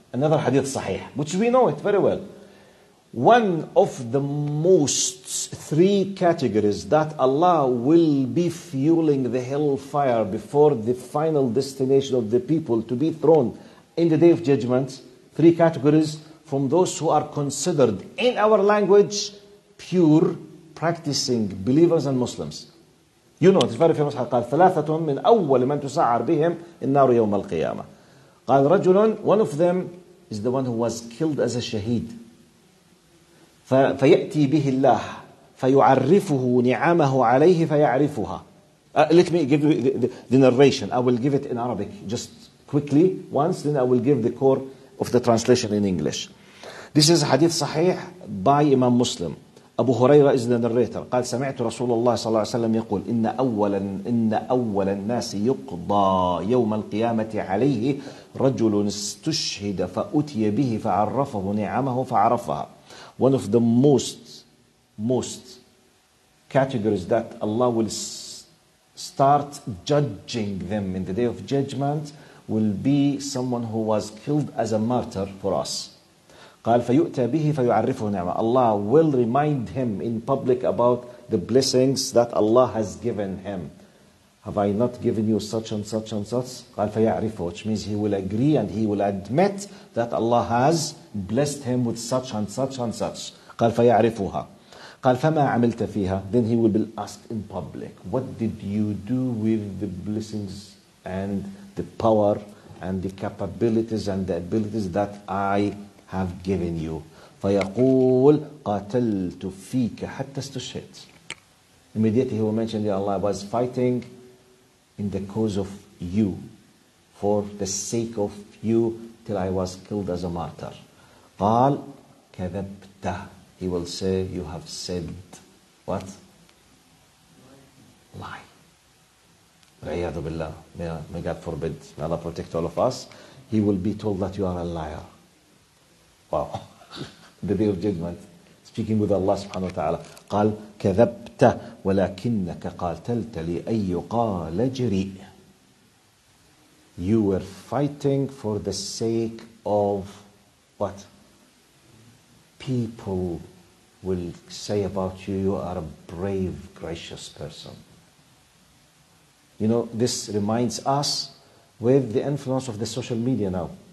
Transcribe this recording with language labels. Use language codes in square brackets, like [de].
[en] Another hadith صحيح, which we know it very well. One of the most three categories that Allah will be fueling the hellfire before the final destination of the people to be thrown in the day of judgment. Three categories from those who are considered in our language pure practicing believers and Muslims. You know, it's very famous. [ar] قال ثلاثة من أول من تسعر بهم النار يوم القيامة. [en] قال رجل, one of them is the one who was killed as a shaheed. [ar] فيأتي به الله فيعرفه نعمه عليه فيعرفها. [en] Let me give you the narration. I will give it in Arabic just quickly once, then I will give the core of the translation in English. This is a hadith صحيح by Imam Muslim. Abu Huraira is the narrator. [ar] قال سمعت رسول الله صلى الله عليه وسلم يقول إن أول الناس يقضى يوم القيامة عليه رجل استشهد فأتي به فعرفه نعمه فعرفها. [en] One of the most categories that Allah will start judging them in the day of judgment will be someone who was killed as a martyr for us. [ar] قال فيؤتى به فيعرفه نعمة. [en] Allah will remind him in public about the blessings that Allah has given him. Have I not given you such and such and such? قال فيعرفه, which means he will agree and he will admit that Allah has blessed him with such and such and such. [ar] قال فيعرفها. قال فما عملت فيها. [en] Then he will be asked in public, what did you do with the blessings and the power and the capabilities and the abilities that I have given you? [ar] فيقول قاتلت فيك حتى استشهد. [en] Immediately he will mention, yeah, Allah, I was fighting in the cause of you, for the sake of you, till I was killed as a martyr. قال كذبت. He will say, you have said what? Lie. عياذ بالله. May God forbid. May Allah protect all of us. He will be told that you are a liar. Wow. The day of judgment. Speaking with Allah subhanahu wa ta'ala. [ar] قال كذبت ولكنك قاتلت لأي قال جريء. [en] You were fighting for the sake of what? People will say about you, you are a brave, gracious person. You know, this reminds us with the influence of the social media now.